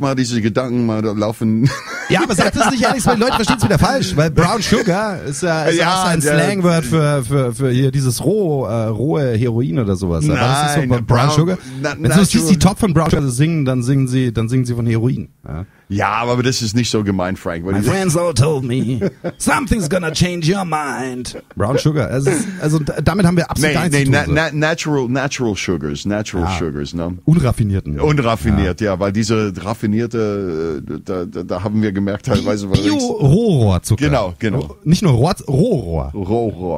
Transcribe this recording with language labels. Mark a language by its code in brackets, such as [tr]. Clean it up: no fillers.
[de] mal diese Gedanken mal laufen. Ja, aber sag das nicht ehrlich, weil die Leute verstehen es wieder falsch, weil Brown Sugar ist ein Slangwort für hier dieses rohe Heroin oder sowas. Nein, das ist so Brown Sugar. Wenn du die Top von Brown Sugar singen, dann singen sie von Heroin. Ja, aber das ist nicht so gemein, Frank. [en] My friends all told me, something's gonna change your mind. Brown Sugar. [de] Also damit haben wir absolut gar nichts zu tun. Natural Sugars, ne? Unraffinierten. Unraffiniert, ja, weil diese raffinierte, da haben wir gemerkt teilweise... Bio-Rohrohrzucker. Genau. Nicht nur Rohrohr. Rohrohr.